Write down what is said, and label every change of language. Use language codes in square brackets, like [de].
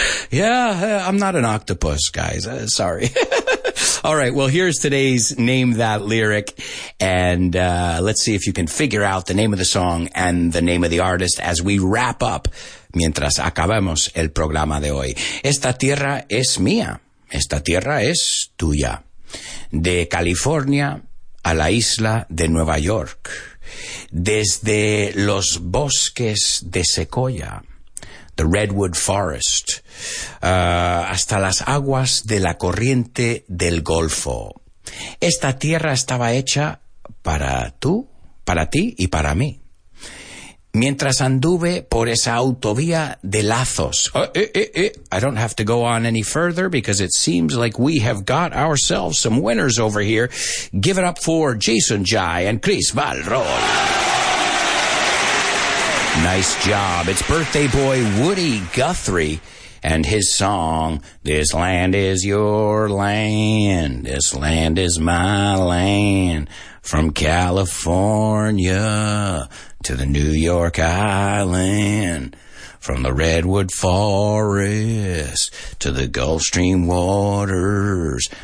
[en] Yeah, I'm not an octopus, guys. Sorry. All right, well, here's today's Name That Lyric. And let's see if you can figure out the name of the song and the name of the artist as we wrap up. [es] Mientras acabamos el programa de hoy. Esta tierra es mía. Esta tierra es tuya. De California a la isla de Nueva York. Desde los bosques de secoya, [en] the redwood forest, [es] hasta las aguas de la corriente del golfo. Esta tierra estaba hecha para tú, para ti y para mí. Mientras anduve por esa autovía de lazos. [en] I don't have to go on any further because it seems like we have got ourselves some winners over here. Give it up for Jason Jai and Chris Valrol. Nice job. It's birthday boy Woody Guthrie and his song, This Land Is Your Land, This Land Is My Land, from California to the New York Island, from the Redwood Forest to the Gulf Stream waters.